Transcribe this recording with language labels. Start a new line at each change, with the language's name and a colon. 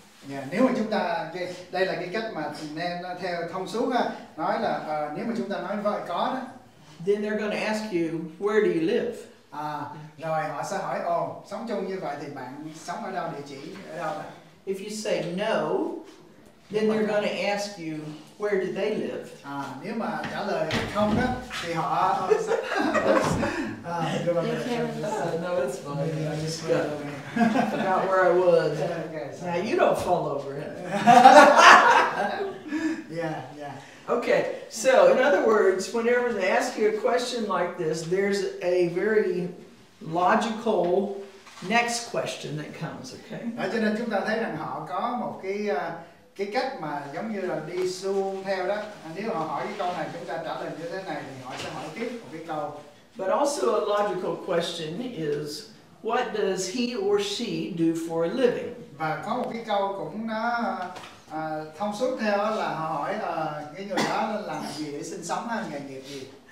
Vietnamese: Yeah, nếu mà chúng ta đây là cái cách mà nên theo thông số ha, nói là nếu mà chúng ta nói vậy có đó.
English: Then they're going to ask you, where do you live?
Vietnamese: Rồi họ sẽ hỏi, ồ, sống chung như vậy thì bạn sống ở đâu, địa chỉ ở đâu?
English: If you say no, then they're going to ask you, where do they live?
Vietnamese: Nếu mà trả lời không á, thì họ
English: no, it's fine. Yeah, I just got forgot where I was. Okay, now you don't fall over it. Yeah. Okay. So in other words, whenever they ask you a question like this, there's a very logical next question that comes. Okay.
Vietnamese: Cho nên chúng ta thấy rằng họ có một cái cách mà giống như là đi xuông theo đó. Nếu họ hỏi cái câu này, chúng ta trả lời như thế này, thì họ sẽ hỏi tiếp một cái câu.
English: But also a logical question is, what does he or she do for a living?
Vietnamese: Và có một cái câu cũng nó thông suốt theo là họ hỏi là cái người đó làm gì để sinh sống hay nghề nghiệp gì.